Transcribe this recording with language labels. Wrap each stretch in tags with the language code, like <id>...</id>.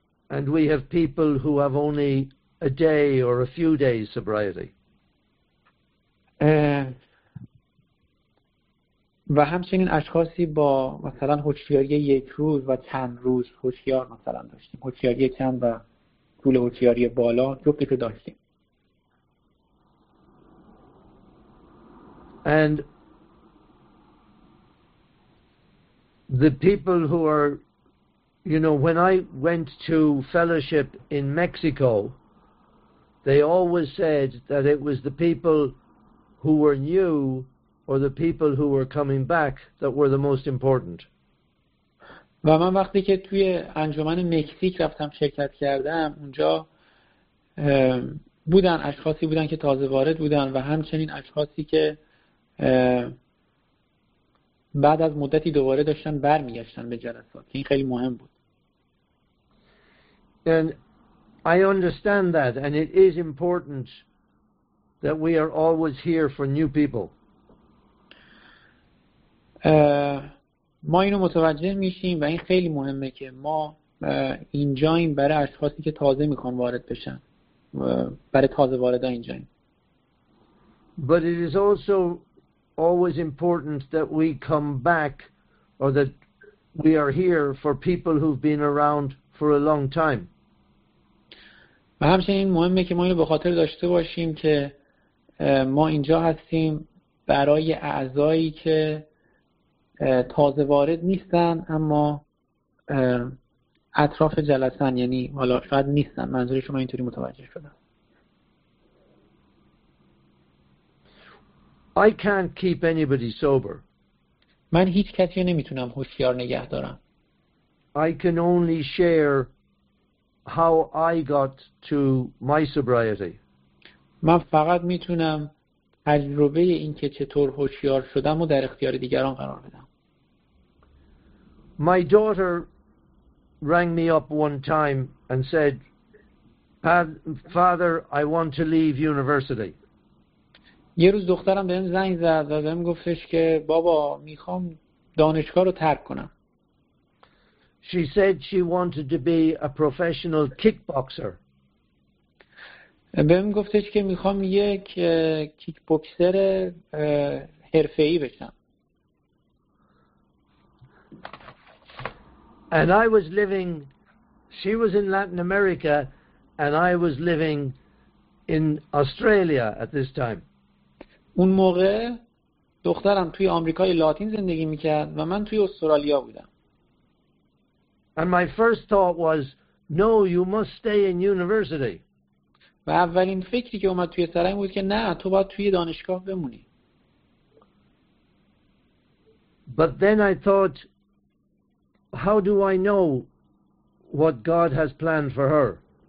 <en>And we have people who have only a day or a few days sobriety.</en> <fa>و همچنین اشخاصی با مثلا هوشیاری یک روز و چند روز هوشیار مثلا داشتیم. هوشیاری چند و طول هوشیاری بالا جبتی که داشتیم.</fa> <en>And the people who are, you know, when I went to fellowship in Mexico, they always said that it was the people who were new or the people who were coming back that were the most important.</en> <fa>و من وقتی که توی انجمن مکزیک رفتم شرکت کردم اونجا بودن اشخاصی بودن که تازه وارد بودن و همچنین اشخاصی که بعد از مدتی دوباره داشتن برمیگشتن به جلسات، این خیلی مهم بود.</fa> <en>And I understand that and it is important that we are always here for new people.</en> <fa>ما اینو متوجه میشیم و این خیلی مهمه که ما اینجاییم برای اشخاصی که تازه میخوان وارد بشن، برای تازه واردان اینجاییم.</fa> <en>But it is also always important that we come back or that we are here for people who've been around for a long time.</en> <fa>و همچنین مهمه که ما اینو به خاطر داشته باشیم که ما اینجا هستیم برای اعضایی که تازه وارد نیستن اما اطراف جلسن، یعنی حالا شاید نیستن، منظور شما اینطوری متوجه شدم.</fa> <en>I can't keep anybody sober.</en> <fa>من هیچ کسی نمیتونم هوشیار نگه دارم.</fa> <en>I can only share how I got to my sobriety.</en> <fa>من فقط میتونم تجربه این که چطور هوشیار شدم و در اختیار دیگران قرار بدم.</fa> <en>My daughter rang me up one time and said, "Father, I want to leave university."</en> <fa>یه روز دخترم بهم زنگ زد و بهم گفتش که بابا میخوام دانشگاه رو ترک کنم.</fa> <en>She said she wanted to be a professional kickboxer.</en> <fa>بهم گفتش که میخوام یک کیکبوکسر حرفه‌ای بشم.</fa> <en>And I was living, she was in Latin America, and I was living in Australia at this time.</en> <fa>اون موقع دخترم توی آمریکای لاتین زندگی میکرد و من توی استرالیا بودم.</fa> <en>And my first thought was, no, you must stay in university.</en> <fa>و اولین فکری که اومد توی سرم بود که نه تو باید توی دانشگاه بمونی.</fa> <en>But then I thought, how do I know what God has planned for her?</en>